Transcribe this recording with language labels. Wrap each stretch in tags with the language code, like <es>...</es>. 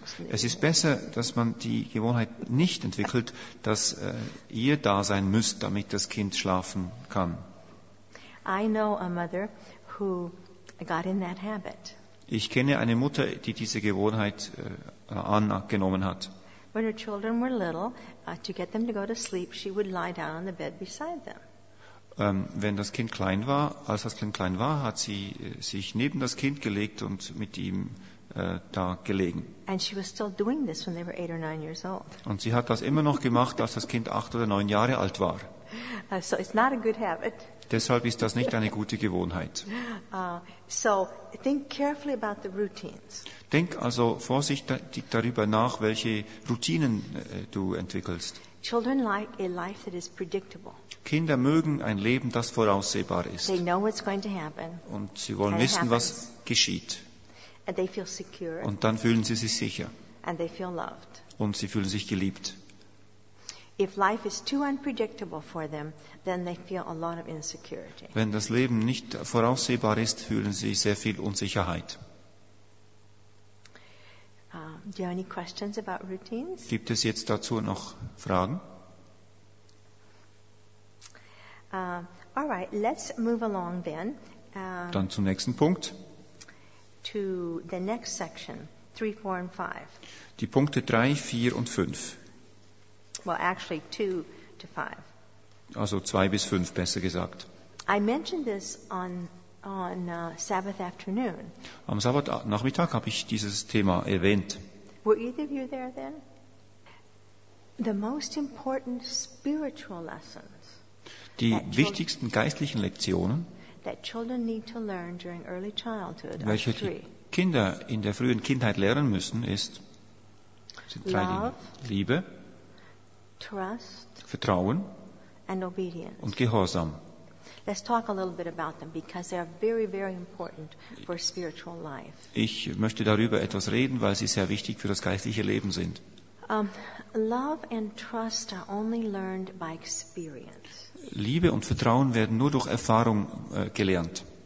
<de>Es ist besser, dass man die Gewohnheit nicht entwickelt, dass ihr da sein müsst, damit das Kind schlafen kann.</de> <en>I know a mother who got in that habit.</en> <de>Ich kenne eine Mutter, die diese Gewohnheit angenommen hat.</de> <en>When her children were little, to get them to go to sleep, she would lie down on the bed beside them.</en> <de>Wenn das Kind klein war, als das Kind klein war, hat sie sich neben das Kind gelegt und mit ihm da gelegen.</de> <en>And she was still doing this when they were 8 or 9 years old.</en> <de>Und sie hat das immer noch gemacht, als das Kind 8 oder 9 Jahre alt war.</de> <en>So it's not a good habit.</en> <de>Deshalb ist das nicht eine gute Gewohnheit.</de> <en>So think carefully about the routines.</en> <de>Denk also vorsichtig darüber nach, welche Routinen du entwickelst.</de> <en>Children like a life that is predictable.</en> <de>Kinder mögen ein Leben, das voraussehbar ist.</de> <en>They know what's going to happen.</en> <de>Und sie wollen</de> <en>and</en> <de>wissen, was geschieht.</de> <en>And they feel secure.</en> <de>Und dann fühlen sie sich sicher.</de> <en>And they feel loved.</en> <de>Und sie fühlen sich geliebt.</de> <en>If life is too unpredictable for them, then they feel a lot of insecurity.</en> <de>Wenn das Leben nicht voraussehbar ist, fühlen sie sehr viel Unsicherheit.</de> <en>Do you have any questions about routines?</en> <de>Gibt es jetzt dazu noch Fragen?</de> <en>All right, let's move along then.</en> <de>Dann zum nächsten Punkt.</de> <en>To the next section, 3, 4 and 5.</en> <de>Die Punkte 3, 4 und 5.</de> <en>Well, actually 2 to 5.</en> <de>Also 2 bis 5 besser gesagt.</de> <en>I mentioned this on Sabbath afternoon.</en> <de>Am Sabbatnachmittag habe ich dieses Thema erwähnt.</de> <en>Were either of you there then? The most important spiritual lessons.</en> <de>Die wichtigsten geistlichen Lektionen,</de> <en>that children need to learn during early childhood,</en> <de>welche die Kinder in der frühen Kindheit lernen müssen, sind drei Dinge. Liebe,</de> <en>Trust,</en> <de>Vertrauen</de> <en>and obedience.</en> <de>Und Gehorsam.</de> <en>Let's talk a little bit about them because they are very, very important for spiritual life.</en> <de>Ich möchte darüber etwas reden, weil sie sehr wichtig für das geistliche Leben sind.</de> <en>Love and trust are only learned by experience.</en> <de>Liebe und Vertrauen werden nur durch Erfahrung gelernt.</de>